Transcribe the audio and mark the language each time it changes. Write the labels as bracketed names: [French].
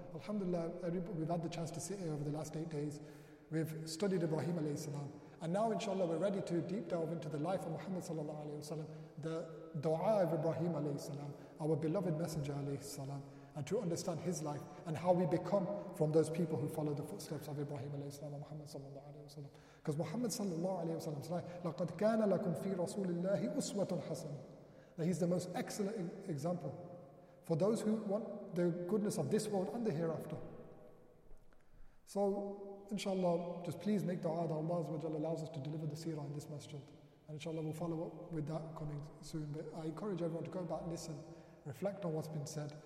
[English] Alhamdulillah, we've had the chance to sit here over the last 8 days. We've studied Ibrahim alayhi salam. And now, inshallah, we're ready to deep delve into the life of Muhammad sallallahu alayhi wa sallam, the dua of Ibrahim alayhi salam, our beloved messenger alayhi salam, and to understand his life and how we become from those people who follow the footsteps of Ibrahim alayhi salam and Muhammad sallallahu alayhi wa sallam. Because Muhammad sallallahu alayhi wa sallam's life, [Arabic] لَقَدْ كَانَ لَكُمْ فِي رَسُولِ اللَّهِ أُسْوَةٌ حَسَنٌ. [English] That he's the most excellent example for those who want the goodness of this world and the hereafter. So, inshallah, just please make dua that Allah azza wa jalla allows us to deliver the seerah in this masjid. And inshallah, we'll follow up with that coming soon. But I encourage everyone to go back, listen, reflect on what's been said.